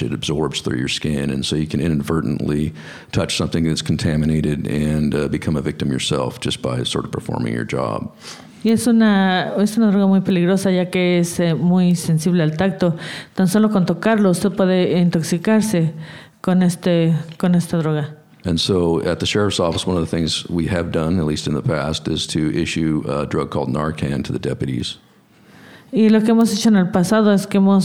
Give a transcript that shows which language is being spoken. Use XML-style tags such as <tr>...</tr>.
<en>It absorbs through your skin, and so you can inadvertently touch something that's contaminated and become a victim yourself just by sort of performing your job.</en> <es>Y es una droga muy peligrosa ya que es muy sensible al tacto. Tan solo con tocarlo usted puede intoxicarse con esta droga.</es> <en>And so at the sheriff's office, one of the things we have done, at least in the past, is to issue a drug called Narcan to the deputies.</en> <es>Y lo que hemos hecho en el pasado es que</es>